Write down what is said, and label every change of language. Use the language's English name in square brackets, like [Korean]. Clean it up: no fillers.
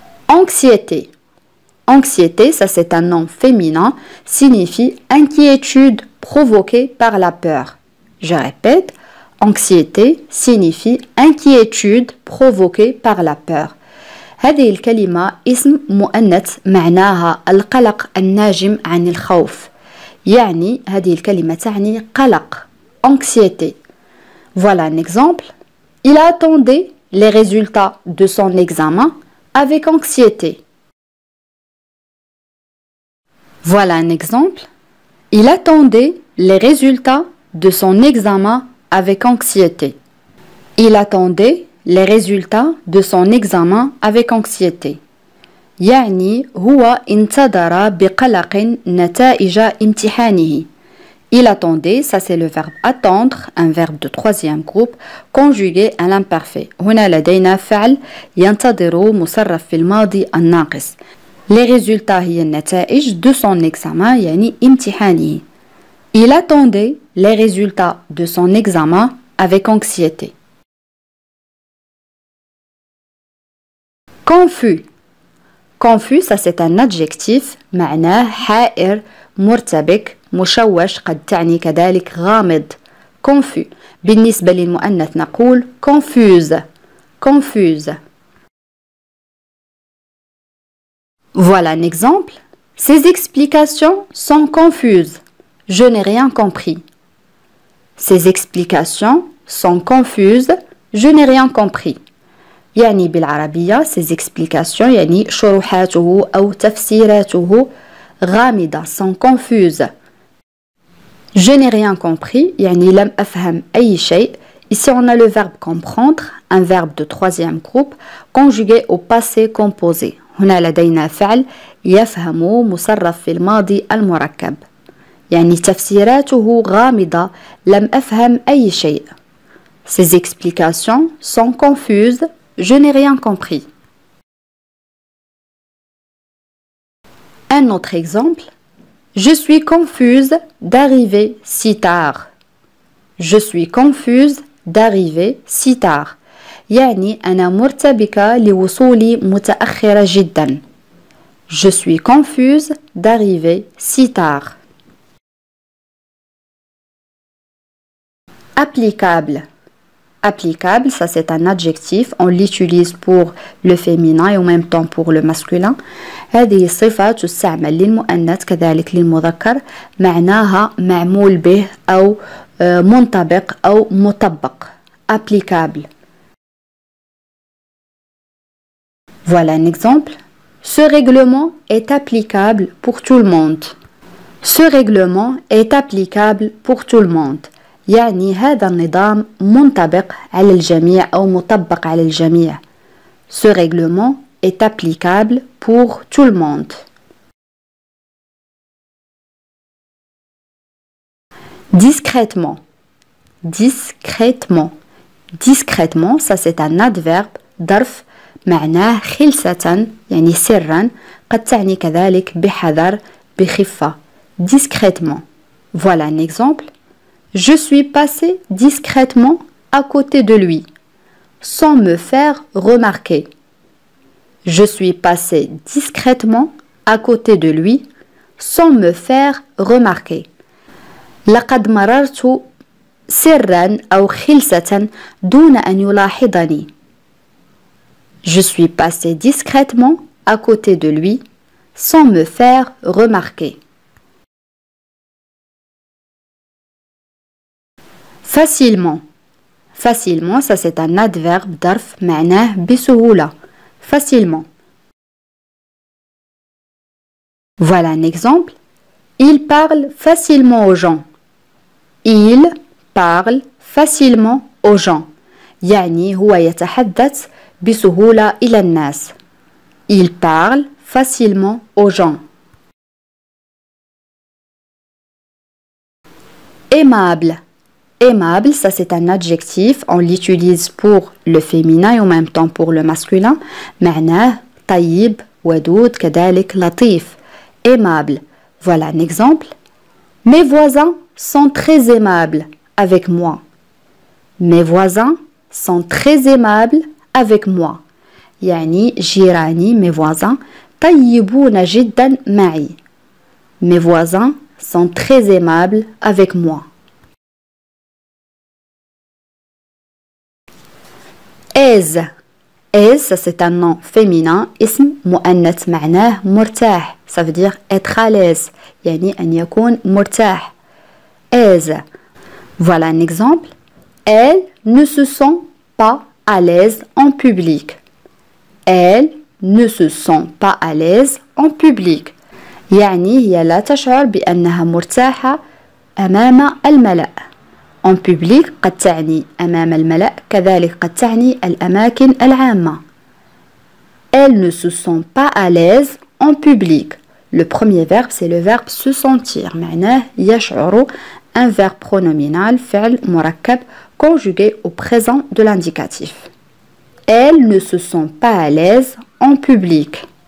[French] Anxiété. Anxiété, ça c'est un nom féminin, signifie inquiétude provoquée par la peur. Je répète, anxiété signifie inquiétude provoquée par la peur. [Arabic] هذه الكلمة اسم مؤنث معناها القلق الناجم عن الخوف. يعني هذه الكلمة تعني قلق, anxiété. [French] Voilà un exemple. Il attendait les résultats de son examen avec anxiété. Voilà un exemple. Il attendait les résultats de son examen avec anxiété. Il attendait les résultats de son examen avec anxiété. [Arabic] يعني هو انتظر بقلق نتائج امتحانه. [French] Il attendait, ça c'est le verbe attendre, un verbe de troisième groupe, conjugué à l'imparfait. [Arabic] هنا لدينا فعل ينتظر مصرف في الماضي الناقص. [French] Les résultats [Arabic] هي النتائج [French] de son examen, [Arabic] يعني امتحانه. [French] Il attendait les résultats de son examen avec anxiété. Confus. Confus, ça c'est un adjectif, [Arabic] معناه حائر, مرتبك, مشوش, قد تعني كذلك غامض. [French] Confus. [Arabic] بالنسبة للمؤنث نقول confuse. [French] Confuse. Voilà un exemple. Ces explications sont confuses. Je n'ai rien compris. Ces explications sont confuses. Je n'ai rien compris. [Arabic] يعني بالعربية, [French] ces explications, [Arabic] يعني شروحاته أو تفسيراته غامضة, [French] sont confuses. Je n'ai rien compris, [Arabic] يعني لم أفهم أي شيء. [French] Ici, on a le verbe comprendre, un verbe de troisième groupe, conjugué au passé composé. [Arabic] هنا لدينا فعل يفهم مصرف في الماضي المركب. يعني تفسيراته غامضة, لم أفهم أي شيء. [French] Ces explications sont confuses. Je n'ai rien compris. Un autre exemple. Je suis confuse d'arriver si tard. Je suis confuse d'arriver si tard. [Arabic] يعني أنا مرتبكة لوصولي متأخرة جدا. [French] Je suis confuse d'arriver si tard. Applicable. Applicable, ça c'est un adjectif, on l'utilise pour le féminin et en même temps pour le masculin. [Arabic] هذه الصفة تستعمل للمؤنث كذلك للمذكر معناها معمول به أو منطبق أو مطبق. [French] Applicable. Voilà un exemple. Ce règlement est applicable pour tout le monde. Ce règlement est applicable pour tout le monde. [Arabic] يعني هذا النظام منطبق على الجميع أو مطبق على الجميع. [French] Ce règlement est applicable pour tout le monde. Discrètement. Discrètement. Discrètement, ça c'est un adverbe [Arabic] ظرف معناه خلسة يعني سرا قد تعني كذلك بحذر بخفة. [French] Discrètement. Voilà un exemple. Je suis passé discrètement à côté de lui, sans me faire remarquer. Je suis passé discrètement à côté de lui, sans me faire remarquer. [Arabic] لقد مررت سرا أو خلسة دون أن يلاحظني. [French] Je suis passé discrètement à côté de lui, sans me faire remarquer. Facilement. Facilement, ça c'est un adverbe d'arf, [Arabic] معناه بسهولة. [French] Facilement. Voilà un exemple. Il parle facilement aux gens. Il parle facilement aux gens. [Arabic] يعني هو يتحدث بسهولة إلى الناس. [French] Il parle facilement aux gens. Aimable. Aimable, ça c'est un adjectif. On l'utilise pour le féminin et en même temps pour le masculin. [Arabic] معناه طيب ودود كذلك لطيف. [French] Aimable. Voilà un exemple. Mes voisins sont très aimables avec moi. Mes voisins sont très aimables avec moi. [Arabic] يعني جيراني, [French] mes voisins, [Arabic] طيبون جدا معي. [French] Mes voisins sont très aimables avec moi. Aise. Aise, ça c'est un nom féminin. [Arabic] اسم مؤنث معناه مرتاح. [French] Ça veut dire être à l'aise. [Arabic] يعني أن يكون مرتاح. Aise. [French] Voilà un exemple. Elle ne se sent pas à l'aise en public. Elle ne se sent pas à l'aise en public. [Arabic] يعني هي لا تشعر بأنها مرتاحة أمام الملأ. En public, قد تعني أمام الملأ, كذلك قد تعني الأماكن العامة. [French] Elle ne se sent pas à l'aise en public. Le premier verbe, c'est le verbe se sentir. [Arabic] معناه يشعر, [French] un verbe pronominal, [Arabic] فعل مركب, [French] conjugué au présent de l'indicatif. Elle ne se sent pas à l'aise en public.